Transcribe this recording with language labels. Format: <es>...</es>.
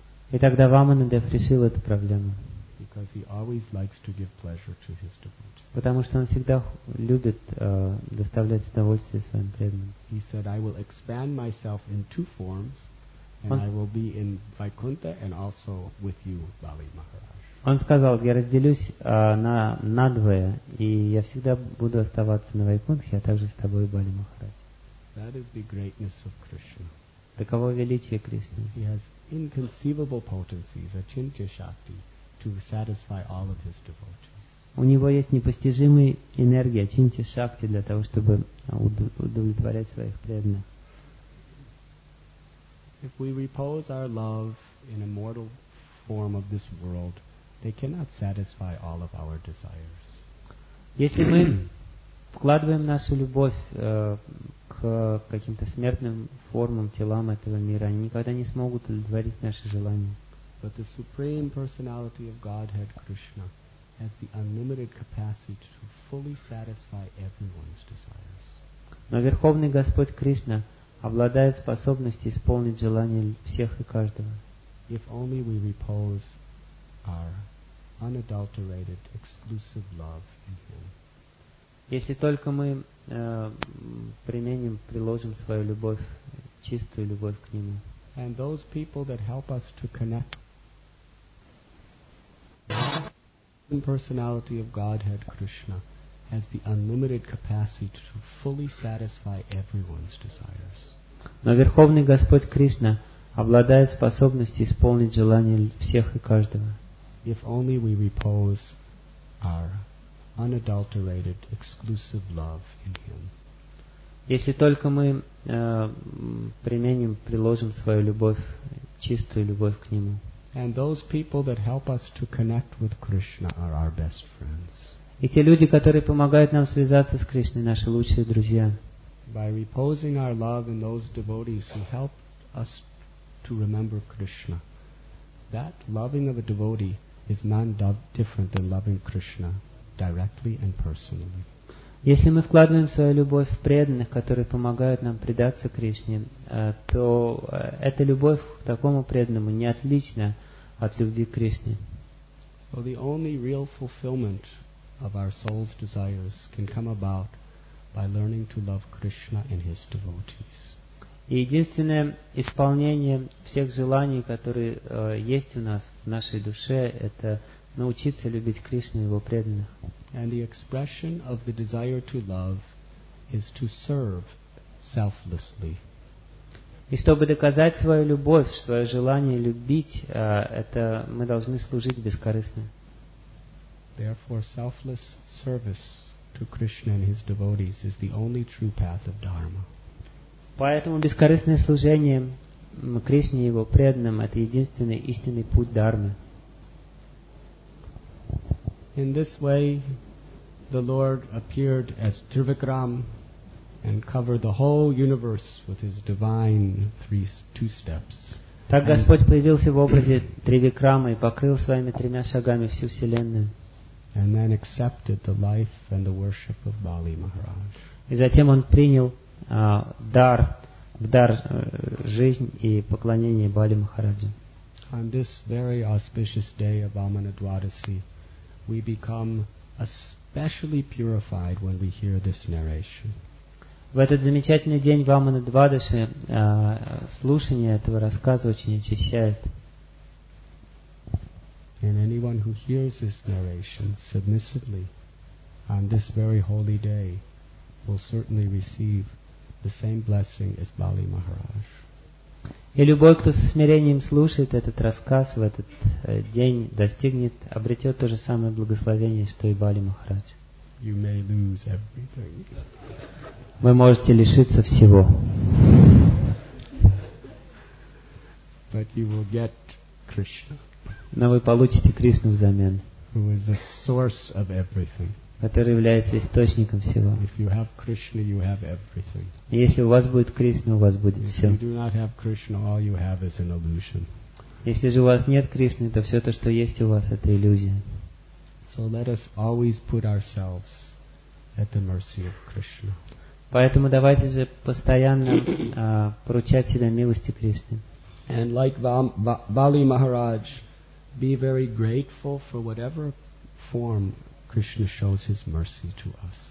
<ru>И тогда Ваманадев решил эту проблему.</ru> <en>Because he always likes to give pleasure to his devotees.</en> <ru>Потому что он всегда любит доставлять удовольствие своим преданным.</ru> <en>He said, "I will expand myself in two forms, and I will be in Vaikuntha and also with you, Бали Махарадж."</en> <ru>Он сказал, я разделюсь на двое, и я всегда буду оставаться на Вайкунтхе, а также с тобой, Бали Махарадж.</ru> <en>That is the greatness of Krishna.</en> <ru>Таково величие Кришны.</ru> <en>He has inconceivable potencies, Achintya Shakti. To satisfy all of his devotees.</en> <ru>У него есть непостижимая энергия, чинти шакти для того, чтобы удовлетворять своих преданных.</ru> <en>If we repose our love in a mortal form of this world, they cannot satisfy all of our desires.</en> <ru>Если мы вкладываем нашу любовь к каким-то смертным формам, телам этого мира, они никогда не смогут удовлетворить наши желания.</ru> <en>But the Supreme Personality of Godhead, Krishna, has the unlimited capacity to fully satisfy everyone's desires.</en> <ru>Но Верховный Господь Кришна обладает способностью исполнить желания всех и каждого.</ru> <en>If only we repose our unadulterated, exclusive love in Him.</en> <ru>Если только мы применим, приложим свою любовь, чистую любовь к Нему.</ru> <en>And those people that help us to connect. The personality of Godhead Krishna has the unlimited capacity to fully satisfy everyone's desires.</en> <ru>Но Верховный Господь Кришна обладает способностью исполнить желания всех и каждого.</ru> <en>If only we repose our unadulterated, exclusive love in Him.</en> <ru>Если только мы применим, приложим свою любовь, чистую любовь к Нему.</ru> <en>And those people that help us to connect with Krishna are our best friends.</en> <ru>И те люди, которые помогают нам связаться с Кришной, наши лучшие друзья.</ru> <en>By reposing our love in those devotees who help us to remember Krishna, that loving of a devotee is none different than loving Krishna directly and personally.</en> <ru>Если мы вкладываем свою любовь в преданных, которые помогают нам предаться Кришне, то эта любовь к такому преданному не отлична от любви к Кришне.</ru> <en>So the only real fulfillment of our soul's desires can come about by learning to love Krishna and His devotees.</en> <ru>И единственное исполнение всех желаний, которые есть у нас в нашей душе, это научиться любить Кришну и Его преданных.</ru> <en>And the expression of the desire to love is to serve selflessly.</en> <ru>И чтобы доказать свою любовь, свое желание любить, это мы должны служить бескорыстно.</ru> <en>Therefore, selfless service to Krishna and his devotees is the only true path of dharma.</en> <ru>Поэтому бескорыстное служение Кришне и его преданным — это единственный истинный путь дхармы.</ru> <en>In this way, the Lord appeared as Trivikram and covered the whole universe with his divine two steps.</en> <ru>Так Господь появился в образе Тривикрама и покрыл своими тремя шагами всю вселенную.</ru> <en>And then accepted the life and the worship of Bali Maharaj.</en> <ru>И затем он принял дар, в дар жизнь и поклонение Бали Махараджу.</ru> <en>On this very auspicious day of Amanadwadasi, we become especially purified when we hear this narration.</en> <ru>В этот замечательный день в Амана-Двадаше слушание этого рассказа очень очищает.</ru> <en>And anyone who hears this narration submissively on this very holy day will certainly receive the same blessing as Bali Maharaj.</en> <ru>И любой, кто со смирением слушает этот рассказ в этот день, достигнет, обретет то же самое благословение, что и Бали Махарадж.</ru> <en>You may lose everything.</en> <ru>Вы можете лишиться всего.</ru> <en>But you will get Krishna.</en> <ru>Но вы получите Кришну взамен.</ru> <en>Who is the source of everything.</en> <ru>Который является источником всего.</ru> <en>If you have Krishna, you have everything.</en> <ru>Если у вас будет Кришна, у вас будет</ru> <en>If</en> <ru>все.</ru> <en>You do not have Krishna, all you have is an illusion.</en> <ru>Если же у вас нет Кришны, то все то, что есть у вас, это иллюзия.</ru> <en>So let us always put ourselves at the mercy of Krishna.</en> <ru>Поэтому давайте же постоянно поручать себя милости Кришны.</ru> <en>And like Bali Maharaj, be very grateful for whatever form Krishna shows his mercy to us.</en>